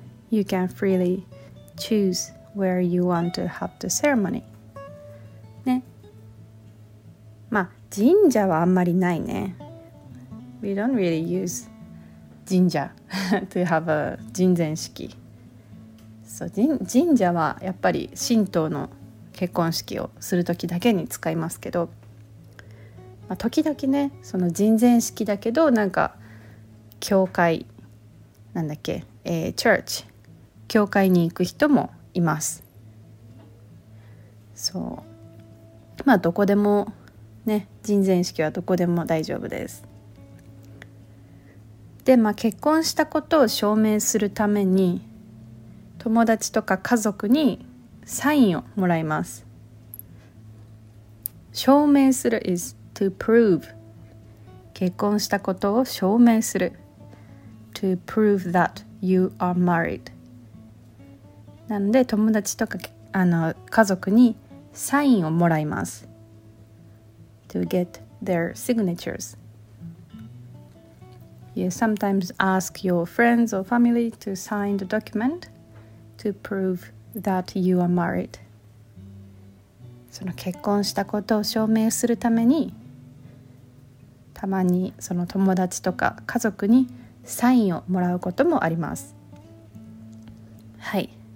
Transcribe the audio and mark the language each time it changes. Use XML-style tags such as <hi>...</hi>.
<en>You can freely choose where you want to have the ceremony.</en> <ja>ね。まあ、神社はあんまりないね。</ja> <en>We don't really use 神社 to have a 神前式。</en> <ja>そう、神社はやっぱり神道の結婚式をするときだけに使いますけど、まあ、時々ね、その神前式だけど、なんか、教会、なんだっけ、church。教会に行く人もいます。そう、まあどこでもね、人前式はどこでも大丈夫です。で、まあ結婚したことを証明するために、友達とか家族にサインをもらいます。</ja> <en>証明する is to prove。</en> <ja>結婚したことを証明する。</ja> <en>To prove that you are married.</en> <ja>なので友達とか家族にサインをもらいます。</ja> <en>To get their signatures. You sometimes ask your friends or family to sign the document to prove that you are married.</en> <ja>その結婚したことを証明するために、たまにその友達とか家族にサインをもらうこともあります。はい。</ja>